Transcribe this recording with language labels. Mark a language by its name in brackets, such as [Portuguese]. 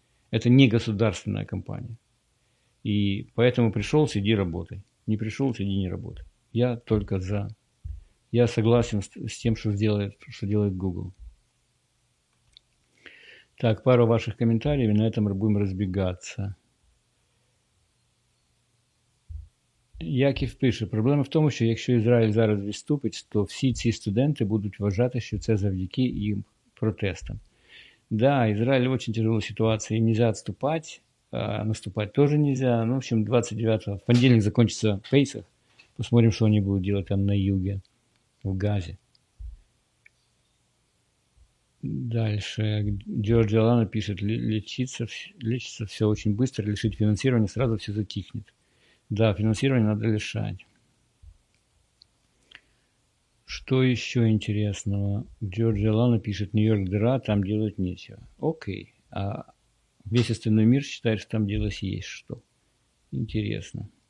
[Russian] Это не государственная компания. И поэтому пришел – сиди, работай. Не пришел – сиди, не работай. Я только за. Я согласен с тем, что делает Google. Так, пару ваших комментариев, и на этом мы будем разбегаться. [Ukrainian] Яків пише, проблема в тому, що якщо Ізраїль зараз відступить, то всі ці студенти будуть вважати, що це завдяки їм протестам. Да, Ізраїль в дуже тяжелій ситуації, нельзя відступати, а наступати теж нельзя. [Russian] Ну, в общем, 29-го, в понедельник [Ukrainian] закінчиться [Russian] Пейсах, посмотрим, [Ukrainian] що вони будуть робити [Russian] там на юге, в Газі. Дальше, [Ukrainian] Джорджі Алана пише, [Russian] лечиться [Ukrainian] все дуже швидко, лишить фінансування, [Russian] сразу [Ukrainian] все затихне. [Russian] Да, финансирование надо лишать. Что еще интересного? Джорджи Лана пишет, Нью-Йорк дыра, там делать нечего. Окей. А весь остальной мир считает, что там делать есть что. Интересно.